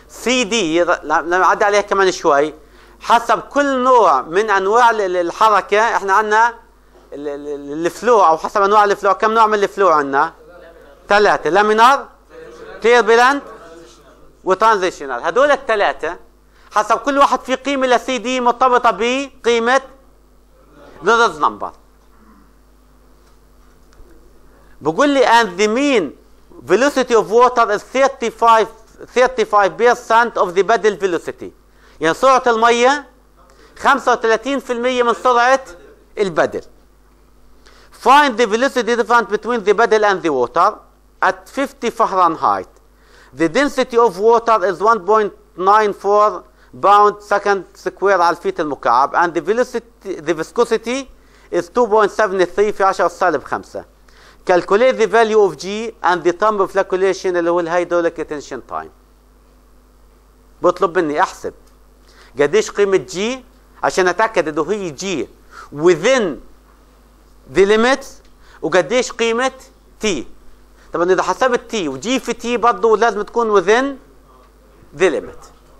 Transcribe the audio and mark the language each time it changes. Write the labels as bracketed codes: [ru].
[ar] سي دي لما عدي عليها كمان شوي، حسب كل نوع من انواع الحركه احنا عندنا الفلو، او حسب انواع الفلو كم نوع من الفلو عندنا؟ ثلاثه، لامينار تيربلنت وترانزيشنال. هذول الثلاثه حسب كل واحد في قيمه للسي دي مرتبطه بقيمه نورز نمبر. بقول لي [en] and the mean velocity of water is 35% of the puddle velocity، [ar] يعني سرعة المية 35% من سرعة البدل. [en] Find the velocity difference between the puddle and the water at 50 Fahrenheit. The density of water is 1.94 pound second square [ar] على الفيت المكعب [en] and the velocity the viscosity is 2.73 [ar] في 10 سالب 5. [en] Calculate the value of G and the time of flocculation [ar] اللي هو الهيدروليك تنشن تايم. بطلب مني احسب قديش قيمة G عشان اتاكد انه هي G [en] within the limits، [ar] وقديش قيمة T. طبعا اذا حسبت T و G في T برضه لازم تكون [en] within the limit.